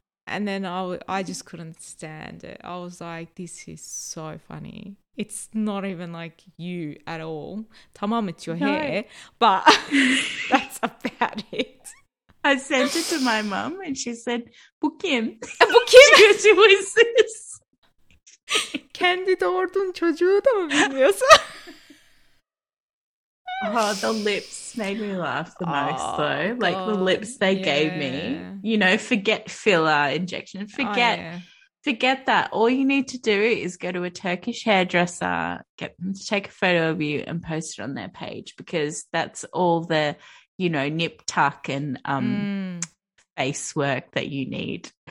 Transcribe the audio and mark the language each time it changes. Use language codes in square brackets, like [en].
[en] And then I just couldn't stand it. I was like, this is so funny. It's not even like you at all. [tr] Tamam, [en] it's your hair. But that's about it. I sent it to my mum and she said, book him. Book him? She goes, who is this? [tr] Kendi doğurdun çocuğu da mı bilmiyorsun? [en] Oh, the lips made me laugh the most, though. God. Like the lips they gave me. You know, forget filler injection. Forget, forget that. All you need to do is go to a Turkish hairdresser, get them to take a photo of you and post it on their page because that's all the, you know, nip tuck and face work that you need.